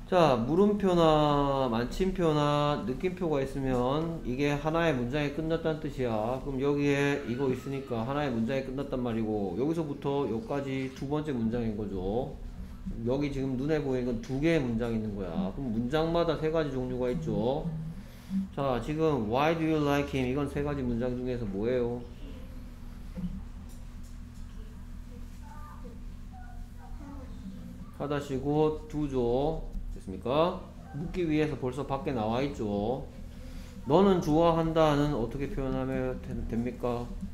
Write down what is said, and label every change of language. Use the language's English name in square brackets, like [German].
[Korean] 자, 물음표나 마침표나 느낌표가 있으면 이게 하나의 문장이 끝났다는 뜻이야. 그럼 여기에 이거 있으니까 하나의 문장이 끝났단 말이고 여기서부터 여기까지 두 번째 문장인 거죠. 여기 지금 눈에 보이는 건 두 개의 문장이 있는 거야. 그럼 문장마다 세 가지 종류가 있죠. [English] 자, 지금 Why do you like him? [Korean] 이건 세 가지 문장 중에서 뭐예요? 하다시 곧 두죠. 됐습니까? 묻기 위해서 벌써 밖에 나와 있죠. 너는 좋아한다는 어떻게 표현하면 됩니까?